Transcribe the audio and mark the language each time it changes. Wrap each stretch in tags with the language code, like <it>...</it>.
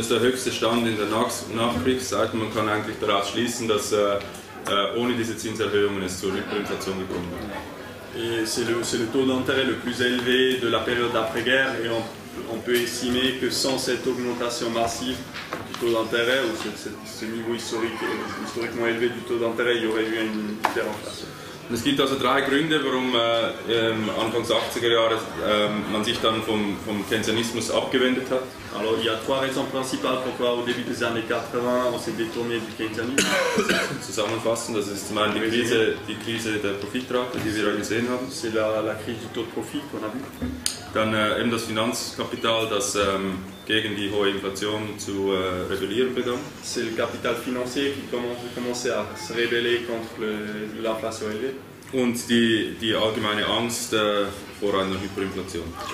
<de>Und das ist der höchste Stand in der Nachkriegszeit. Man kann eigentlich daraus schließen, dass ohne diese Zinserhöhungen es zur Hyperinflation gekommen ist.</de> <fr>Et c'est le taux d'intérêt le plus élevé de la période d'après-guerre et on peut estimer que sans cette augmentation massive du taux d'intérêt ou ce niveau historiquement élevé du taux d'intérêt, il y aurait eu une hyperinflation.</fr> <de>Es gibt also drei Gründe, warum Anfang des 80er Jahre man sich dann vom Keynesianismus abgewendet hat.</de> <fr>Alors il y a trois raisons principales pourquoi au début des années 80 on s'est détourné du Keynesianisme.</fr> <de>Zusammenfassend, das ist zum einen die Krise der Profitrate, die wir gesehen haben.</de> <fr>C'est la crise du taux de profit qu'on a vu.</fr> <de>Dann eben das Finanzkapital, das gegen die hohe Inflation zu rebellieren begann.</de> <fr>C'est le capital financier qui commençait à se rebeller contre l'inflation élevée.</fr> <de>Und die allgemeine Angst vor einer Hyperinflation.</de>